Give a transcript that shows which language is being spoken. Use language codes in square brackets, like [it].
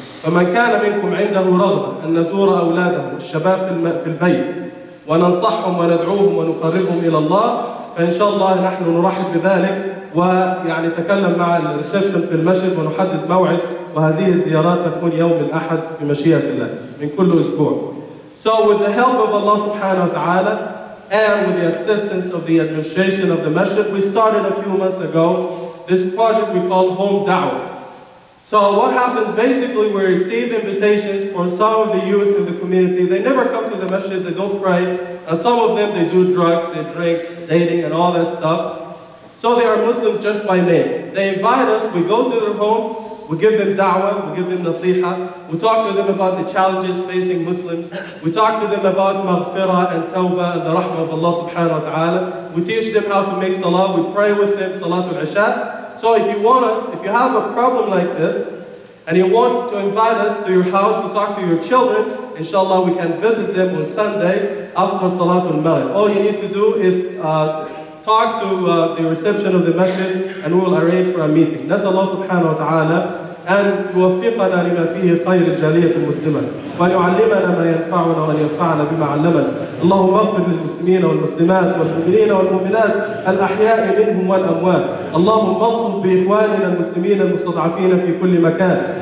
[ar] فمن كان منكم عنده رغبة أن نزور أولادهم الشباب في البيت وننصحهم وندعوهم ونقربهم إلى الله، فإن شاء الله نحن نرحب بذلك، ويعني تكلم مع الريسبشن في المسجد ونحدد موعد، وهذه الزيارات تكون يوم الأحد بمشيئة الله من كل أسبوع. [en] So with the help of Allah subhanahu wa ta'ala and with the assistance of the administration of the masjid, we started a few months ago this project we call Home Da'wah. So what happens, basically we receive invitations from some of the youth in the community. They never come to the masjid, they don't pray, and some of them they do drugs, they drink, dating and all that stuff. So they are Muslims just by name. They invite us, we go to their homes, we give them da'wah, we give them nasiha, we talk to them about the challenges facing Muslims, we talk to them about maghfirah and tawbah and the rahmah of Allah subhanahu wa ta'ala, we teach them how to make salah, we pray with them salatul isha. So if you want us, if you have a problem like this, and you want to invite us to your house to talk to your children, inshallah we can visit them on Sunday after salatul maghrib. All you need to do is talk to the reception of the masjid and we will arrange for a meeting. [ar] نسأل الله سبحانه وتعالى أن يوفقنا لما فيه خير الجالية المسلمة ويعلمنا ما ينفعنا وينفعنا بما علمنا. اللهم اغفر للمسلمين والمسلمات والمؤمنين والمؤمنات الأحياء منهم والأموات. اللهم انصر بإخواننا المسلمين المستضعفين في كل مكان.